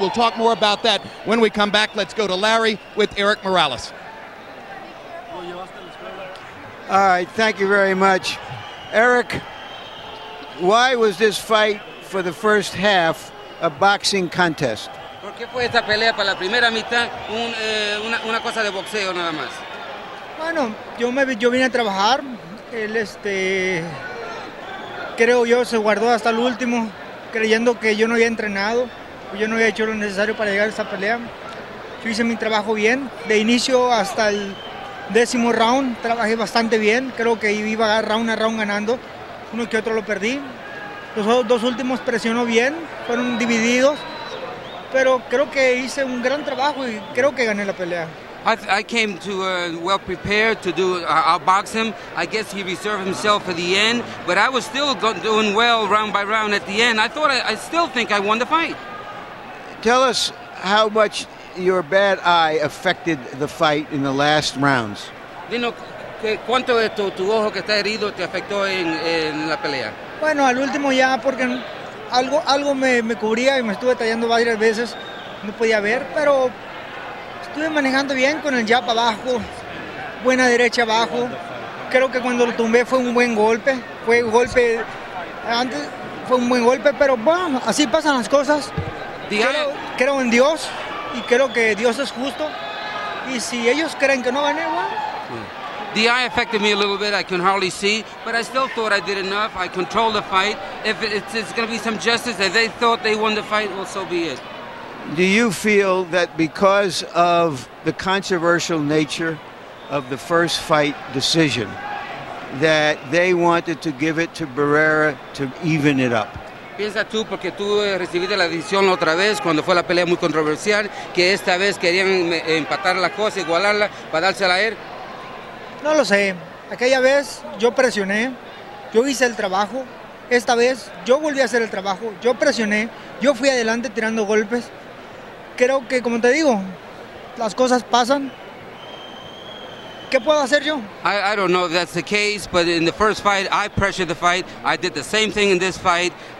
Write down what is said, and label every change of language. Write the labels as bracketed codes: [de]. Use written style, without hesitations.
[en] We'll talk more about that when we come back. Let's go to Larry with Erik Morales. All right, thank you very much. Erik, why was this fight for the first half a boxing contest? [es] ¿Por qué fue esta pelea para la primera mitad una cosa de boxeo nada más? Bueno, yo vine a trabajar. Él, creo yo, se guardó hasta el último, creyendo que yo no había entrenado, yo no había hecho lo necesario para llegar a esta pelea. Yo hice mi trabajo bien, de inicio hasta el décimo round, trabajé bastante bien. Creo que iba round a round ganando, uno que otro lo perdí. Los dos últimos presionó bien, fueron divididos, pero creo que hice un gran trabajo y creo que gané la pelea. [en] I came to well prepared to do outbox him. I guess he reserved himself for the end, but I was still doing well round by round at the end. I thought I still think I won the fight. Tell us how much your bad eye affected the fight in the last rounds. [es] Dino, ¿cuánto esto tu ojo que está herido te afectó en la pelea? Bueno, al último ya porque algo me cubría y me estuve tallando varias veces. no podía ver, pero estuve manejando bien con el jab abajo, buena derecha abajo. Creo que cuando lo tumbé fue un buen golpe, pero bueno, así pasan las cosas. Creo en Dios y creo que Dios es justo. Y si ellos creen que no gané, [en] The eye affected me a little bit. I can hardly see, but I still thought I did enough. I controlled the fight. If it's going to be some justice, if they thought they won the fight, well, so be it. Do you feel that because of the controversial nature of the first fight decision, that they wanted to give it to Barrera to even it up? [es] Piensa tú, porque tú recibiste la decisión otra vez cuando fue la pelea muy controversial, que esta vez querían empatar la cosa, igualarla, para dársela a él. No lo sé. Aquella vez yo presioné, yo hice el trabajo. Esta vez yo volví a hacer el trabajo, yo presioné, yo fui adelante tirando golpes. Creo que, como te digo, las cosas pasan. ¿Qué puedo hacer yo? [en] I don't know if that's the case, but in the first fight, I pressured the fight. I did the same thing in this fight.